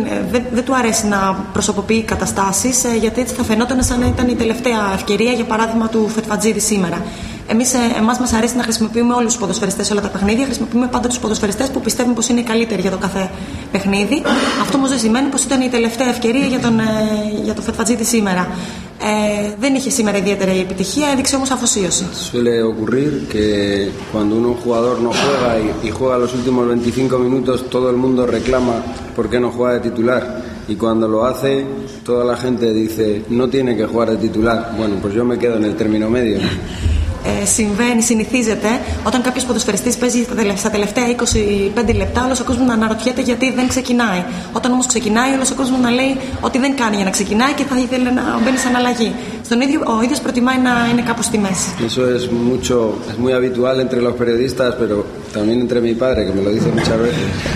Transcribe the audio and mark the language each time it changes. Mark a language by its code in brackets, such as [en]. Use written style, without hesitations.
[el] Δεν του αρέσει να προσωποποιεί καταστάσεις γιατί έτσι θα φαινόταν σαν να ήταν η τελευταία ευκαιρία για παράδειγμα του Φετφατζίδη σήμερα. Εμάς μας αρέσει να χρησιμοποιούμε όλους τους ποδοσφαιριστές σε όλα τα παιχνίδια. Χρησιμοποιούμε πάντα τους ποδοσφαιριστές που πιστεύουμε πως είναι οι καλύτεροι για το κάθε παιχνίδι. Αυτό όμως δεν σημαίνει πως ήταν η τελευταία ευκαιρία για τον Φετφατζίδη σήμερα. Δεν είχε σήμερα ιδιαίτερη επιτυχία, έδειξε όμως αφοσίωση. [es] Suele ocurrir que cuando un jugador no juega y juega los últimos 25 minutos, todo el mundo reclama por qué no juega de titular. Y cuando lo hace, toda la gente dice no tiene que jugar de titular. Bueno, pues yo me quedo en el término medio. [el] Συμβαίνει, συνηθίζεται όταν κάποιος ποδοσφαιριστής παίζει στα τελευταία 25 λεπτά όλος ο κόσμος να αναρωτιέται γιατί δεν ξεκινάει. Όταν όμως ξεκινάει όλος ο κόσμος να λέει ότι δεν κάνει για να ξεκινάει και θα ήθελε να μπαίνει σαν αλλαγή. Ο ίδιος προτιμάει να είναι κάπου στη μέση. [es] Eso es mucho, es muy habitual entre los periodistas, pero también entre mi padre, que me lo dice muchas veces.